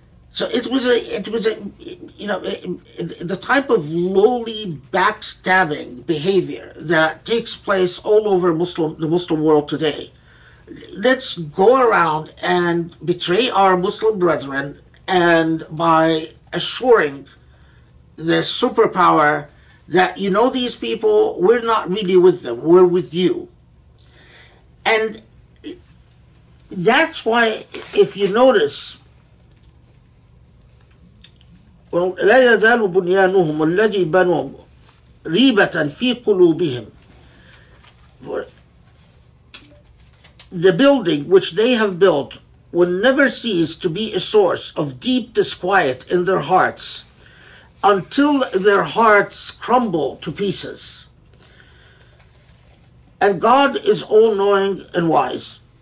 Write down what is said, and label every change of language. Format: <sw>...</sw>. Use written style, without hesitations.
<en>So it was the type of lowly backstabbing behavior that takes place all over the Muslim world today. Let's go around and betray our Muslim brethren, and by assuring the superpower that, you know, these people, we're not really with them, we're with you. And that's why, if you notice, well,</en> <ar>لا يزال بنيانهم الذي بنوا ريبة في قلوبهم.</ar> <en>The building which they have built will never cease to be a source of deep disquiet in their hearts until their hearts crumble to pieces. And God is all-knowing and wise.</en>